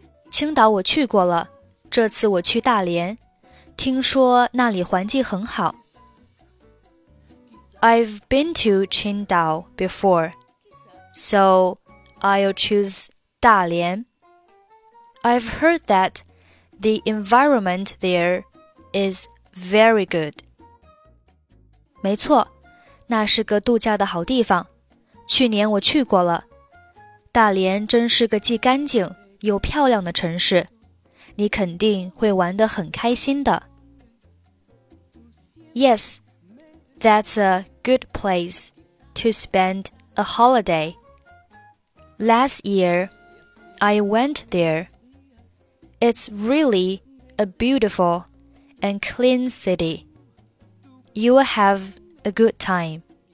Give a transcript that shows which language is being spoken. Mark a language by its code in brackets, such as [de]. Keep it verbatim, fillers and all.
[zh] 青岛我去过了，这次我去大连，听说那里环境很好。 [en] I've been to 青岛 before, so I'll choose 大连. I've heard that the environment there is very good. [zh] 没错。那是个度假的好地方，去年我去过了。大连真是个既干净又漂亮的城市，你肯定会玩得很开心的。 [en] Yes, that's a good place to spend a holiday. Last year, I went there. It's really a beautiful and clean city. You will have... A good time.